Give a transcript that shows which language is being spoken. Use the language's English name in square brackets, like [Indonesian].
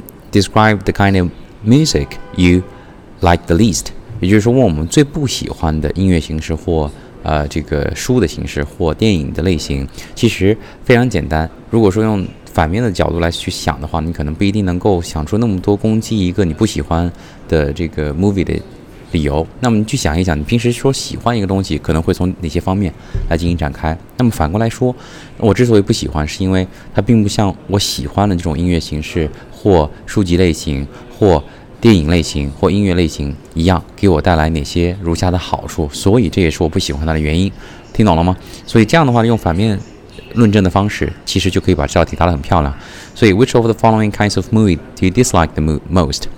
[English] Describe the kind of music you like the least. [Chinese] 也就是说问我们最不喜欢的音乐形式或这个书的形式或电影的类型。其实非常简单，如果说用反面的角度来去想的话，你可能不一定能够想出那么多攻击一个你不喜欢的这个 movie 的理由。那么你去想一想，你平时说喜欢一个东西可能会从哪些方面来进行展开。那么反过来说，我之所以不喜欢是因为它并不像我喜欢的这种音乐形式或书籍类型或电影类型或音乐类型一样给我带来哪些如下的好处，所以这也是我不喜欢它的原因。听懂了吗？所以这样的话用反面论证的方式其实就可以把这道题答得很漂亮。所以 [English] Which of the following kinds of movie do you dislike the most?